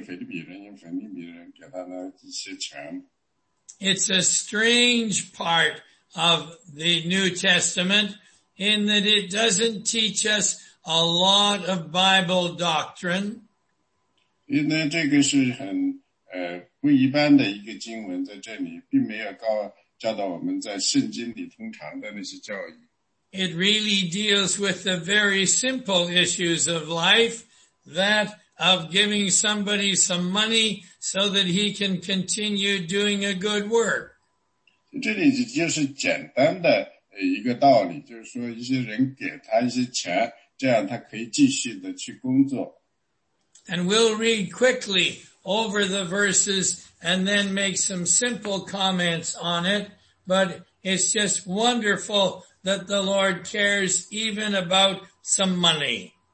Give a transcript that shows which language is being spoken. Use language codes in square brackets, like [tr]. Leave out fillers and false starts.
[zh] 因为这所以都是使徒保罗的感谢那个腓立比人，因为腓立比人给他了一些钱。 [en] It's a strange part of the New Testament in that it doesn't teach us a lot of Bible doctrine. [zh] 因为这个是很不一般的一个经文在这里，并没有教导我们在圣经里通常的那些教义。 [en] It really deals with the very simple issues of life, that of giving somebody some money so that he can continue doing a good work. [zh] 这里就是简单的一个道理，就是说一些人给他一些钱，这样他可以继续的去工作。 [en] And we'll read quickly over the verses and then make some simple comments on it, but it's just wonderful that the Lord cares even about some money.